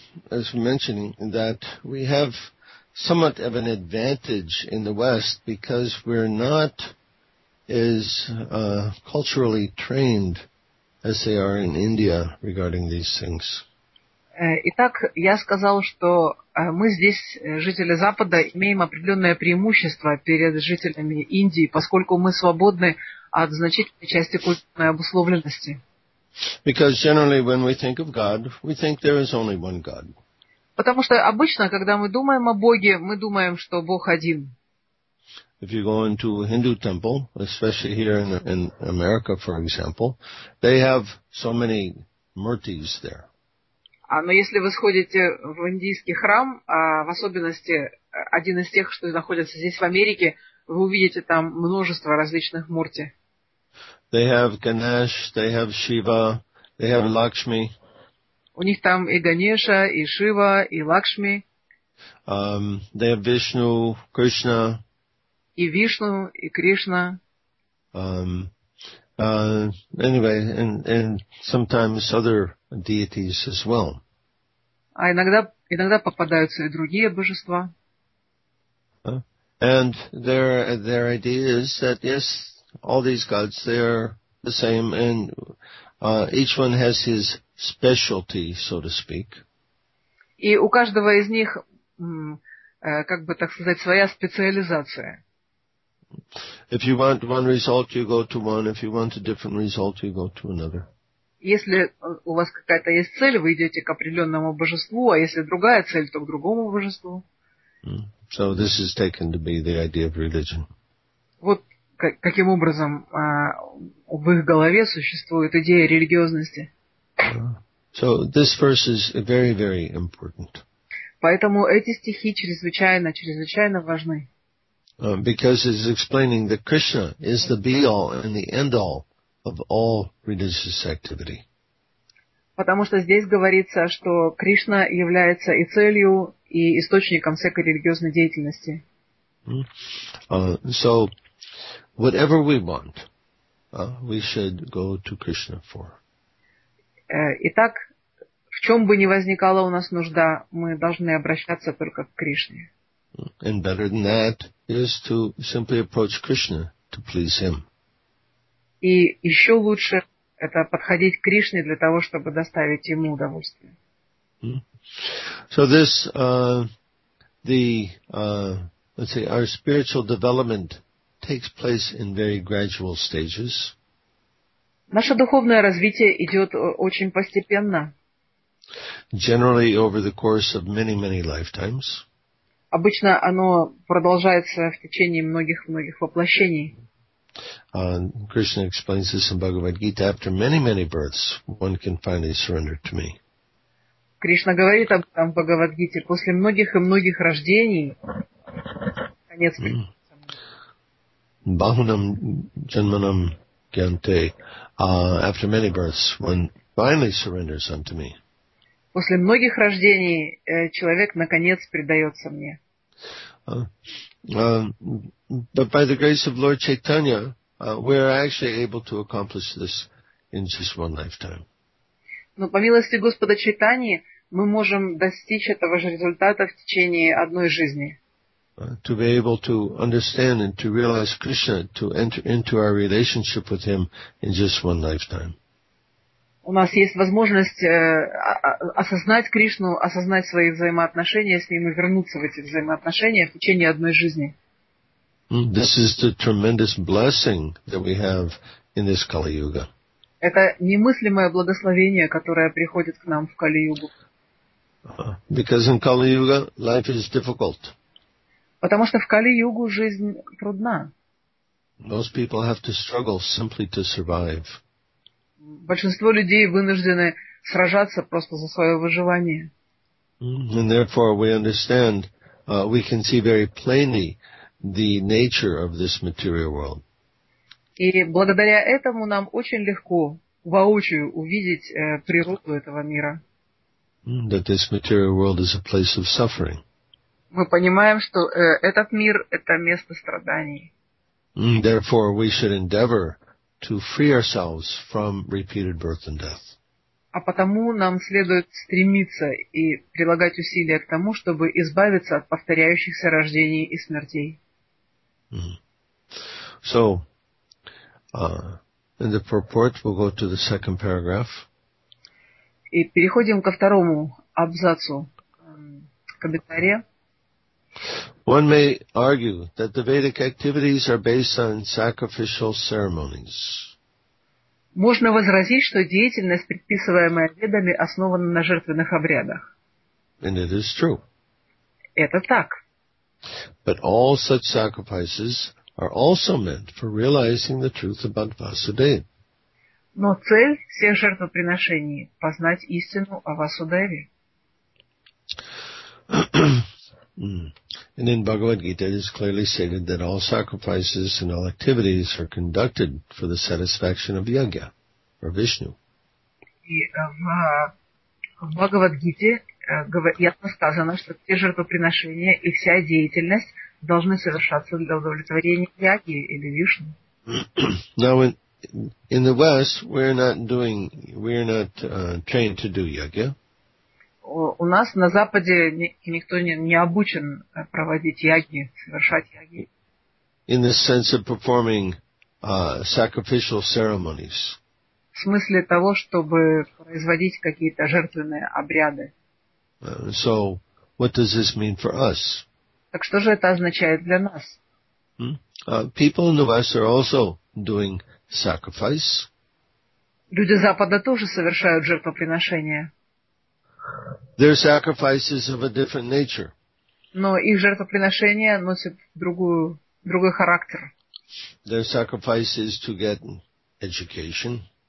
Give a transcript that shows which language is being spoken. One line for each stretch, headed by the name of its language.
English: As we mentioned, that we have somewhat of an advantage in the West because we're not as culturally trained as they are in India regarding these things.
Russian: Итак, я сказал, что мы здесь, жители Запада, имеем определенное преимущество перед жителями Индии, поскольку мы свободны от значительной части культурной обусловленности.
English: Because generally when we think of God, we think there is only one God.
Russian: Потому что обычно, когда мы думаем о Боге, мы думаем, что Бог один.
English: If you go into a Hindu temple, especially here in America, for example, they have so many murtis there.
Russian: Но если вы сходите в индийский храм, в особенности один из тех, что находится здесь в Америке, вы увидите там множество различных мурти.
English: They have Ganesh, they have Shiva, they have Lakshmi.
Russian: У них там и Ганеша, и Шива, и Лакшми.
English: They have Vishnu, Krishna.
Russian: И Вишну, и Кришна.
English: Anyway, and sometimes other deities as well.
Russian: А иногда попадаются и другие божества.
English: And their idea is that yes, all these gods they are the same, and each one has his specialty, so to speak.
Russian: И у каждого из них, как бы так сказать, своя специализация.
English: If you want one result, you go to one. If you want a different result, you go to another.
Russian: Если у вас какая-то есть цель, вы идете к определенному божеству, а если другая цель, то к другому божеству.
English: So this is taken to be the idea of religion.
Russian: Вот каким образом в их голове существует идея религиозности.
English: So this verse is very, very important.
Russian: Поэтому эти стихи чрезвычайно, чрезвычайно важны.
English: Because it's explaining that Krishna is the be-all and the end-all of all religious activity.
Russian: Потому что здесь говорится, что Кришна является и целью, и источником всякой религиозной деятельности.
English: So, whatever we want, we should go to Krishna for.
Russian: Итак, в чем бы ни возникала у нас нужда, мы должны обращаться только к Кришне.
English: And better than that is to simply approach Krishna to please him.
Russian: И еще лучше это подходить к Кришне для того, чтобы доставить ему удовольствие.
English: So this, let's say, our spiritual development takes place in very gradual stages.
Russian: Наше духовное развитие идет очень постепенно.
English: Generally over the course of many, many lifetimes.
Russian: Обычно оно продолжается в течение многих-многих воплощений.
English: Krishna explains this in Bhagavad Gita. After many, many births, one can finally surrender to me.
Russian: Кришна говорит об этом в Бхагавад Гите. После многих и многих рождений, конец.
Sanskrit: Bahunam janmanam gyante.
English: After many births, one finally surrenders unto me.
Russian: После многих рождений человек наконец предается мне.
English: But by the grace of Lord Chaitanya, we are actually able to accomplish this in just one lifetime.
Russian: Но по милости Господа Чайтаньи мы можем достичь этого же результата в течение одной жизни.
English: To be able to understand and to realize Krishna, to enter into our relationship with Him in just one lifetime.
Russian: У нас есть возможность осознать Кришну, осознать свои взаимоотношения с Ним и вернуться в эти взаимоотношения в течение одной жизни.
English: This is the tremendous blessing that we have in this Kali-Yuga.
Russian: Это немыслимое благословение, которое приходит к нам в Кали-Югу.
English: Because in Kali-Yuga, life is difficult.
Russian: Потому что в Кали-Югу жизнь трудна.
English: Most people have to struggle simply to survive.
Russian: Большинство людей вынуждены сражаться просто за свое выживание.
English: And therefore we understand, we can see very plainly the nature of this material world.
Russian: И благодаря этому нам очень легко воочию увидеть природу этого мира.
English: That this material world is a place of suffering.
Russian: Мы понимаем, что этот мир – это место страданий.
English: Therefore we should endeavor to free ourselves from repeated birth and death.
Russian: А потому нам следует стремиться и прилагать усилия к тому, чтобы избавиться от повторяющихся рождений и смертей.
English: So, In the purport, we'll go to the second paragraph.
Russian: И переходим ко второму абзацу комментария.
English: One may argue that the Vedic activities are based on sacrificial ceremonies.
Russian: Можно возразить, что деятельность, предписываемая ведами, основана на жертвенных обрядах.
English: And it is true.
Russian: Это так.
English: But all such sacrifices are also meant for realizing the truth about Vasudeva.
Russian: Но цель всех жертвоприношений – познать истину о Васудеве.
English: And in Bhagavad Gita, it is clearly stated that all sacrifices and all activities are conducted for the satisfaction of Yajna, or Vishnu.
Russian: И в Bhagavad Gita ясно сказано, что все жертвоприношения и вся деятельность должны совершаться для удовлетворения Яги или Вишну.
English: Now in the West we're not trained to do Yajna.
Russian: У нас на Западе никто не обучен проводить яги, совершать яги.
English: In the sense of performing sacrificial ceremonies.
Russian: В смысле того, чтобы производить какие-то жертвенные обряды.
English: So, what does this mean for us?
Russian: Так что же это означает для нас?
English: People in the West are also doing sacrifice.
Russian: Люди Запада тоже совершают жертвоприношения.
English: Their sacrifices of a different nature.
Russian: Но их жертвоприношения носят другой характер.
English: Their sacrifices to get education.